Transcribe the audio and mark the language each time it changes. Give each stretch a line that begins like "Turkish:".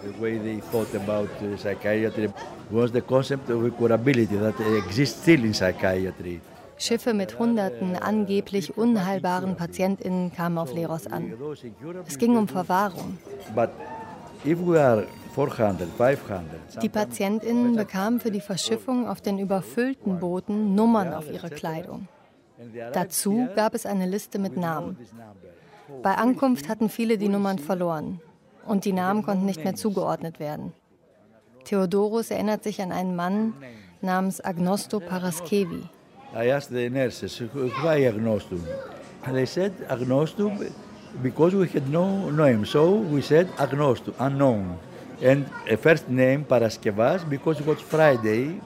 English: The way they thought about psychiatry was the concept of curability that exists still in psychiatry.
German: Schiffe mit hunderten angeblich unheilbaren PatientInnen kamen auf Leros an. Es ging um Verwahrung.
English: But if we are 400, 500,
German: die PatientInnen bekamen für die Verschiffung auf den überfüllten Booten Nummern auf ihre Kleidung. Dazu gab es eine Liste mit Namen. Bei Ankunft hatten viele die Nummern verloren und die Namen konnten nicht mehr zugeordnet werden. Theodoros erinnert sich an einen Mann namens Agnosto Paraskevi.
English: I asked the nurses, why Agnostum? And they said, Agnostum, because we had no name. So we said, Agnostum, unknown. And a first name, Paraskevas, because it was Friday.